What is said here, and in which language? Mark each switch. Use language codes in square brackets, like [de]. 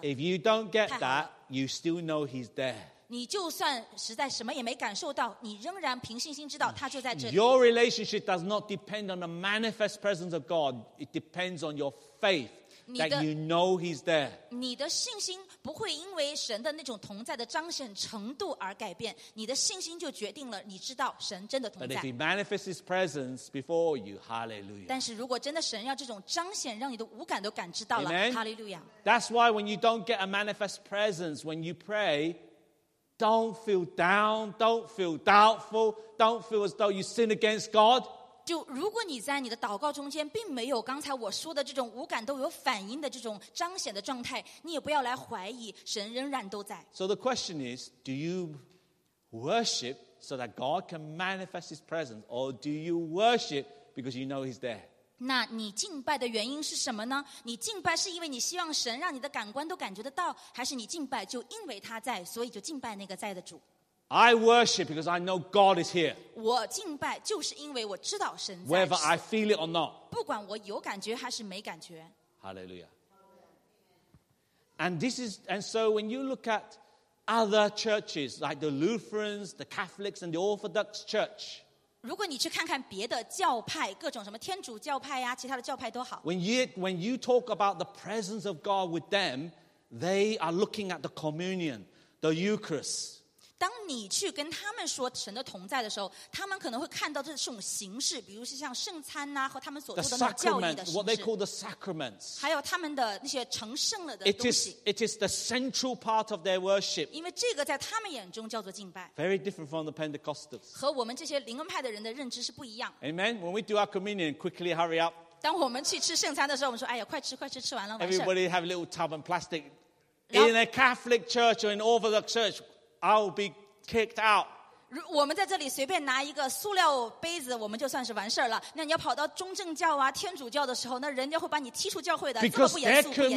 [en] If you don't get that, you still know He's there. [zh] 你就算实在什么也没感受到你仍然凭信心知道他就在这里 [en] Your relationship does not depend on the manifest presence of God. It depends on your faith. That you know He's there. [zh] 你的信心不会因为神的那种同在的彰显程度而改变，你的信心就决定了你知道神真的同在。 [en] But if He manifests His presence before you, Hallelujah. [zh] 但是如果真的神要这种彰显，让你的五感都感知到了，Hallelujah. [en] That's why when you don't get a manifest presence when you pray, don't feel down, don't feel doubtful, don't feel as though you sin against God. [zh] 就如果你在你的祷告中间并没有刚才我说的这种五感都有反应的这种彰显的状态，你也不要来怀疑，神仍然都在。 [en] So the question is, do you worship so that God can manifest His presence, or do you worship because you know He's there? [zh] 那你敬拜的原因是什么呢？你敬拜是因为你希望神让你的感官都感觉得到，还是你敬拜就因为他在，所以就敬拜那个在的主？ [en] I worship because I know God is here. [zh] 我敬拜就是因为我知道神在此。 [en] Whether I feel it or not. [zh] 不管我有感觉还是没感觉。 [en] Hallelujah. And so when you look at other churches, like the Lutherans, the Catholics, and the Orthodox Church. [zh] 如果你去看看别的教派，各种什么天主教派呀，其他的教派都好。 [en] When you talk about the presence of God with them, they are looking at the communion, the Eucharist. [zh] 当你去跟他们说神的同在的时候，他们可能会看到这种形式，比如是像圣餐啊，和他们所做的那种教义的形式。 [en] What they call the sacraments. [zh] 还有他们的那些成圣了的东西。 [en] It is the central part of their worship. [zh] 因为这个在他们眼中叫做敬拜。 [en] Very different from the Pentecostals. [zh] 和我们这些灵恩派的人的认知是不一样。 [en] Amen. When we do our communion, quickly hurry up. [zh] 当我们去吃圣餐的时候，我们说：“哎呀，快吃，快吃，吃完了，完事。” [en] Everybody have a little tub and plastic. In a Catholic church or in Orthodox church.I'll be kicked out. [zh] 我们在这里随便拿一个塑料杯子我们就算是完事了，那你要跑到中正教啊天主教的时候，那人家会把你踢出教会的，这么不严肃不严谨。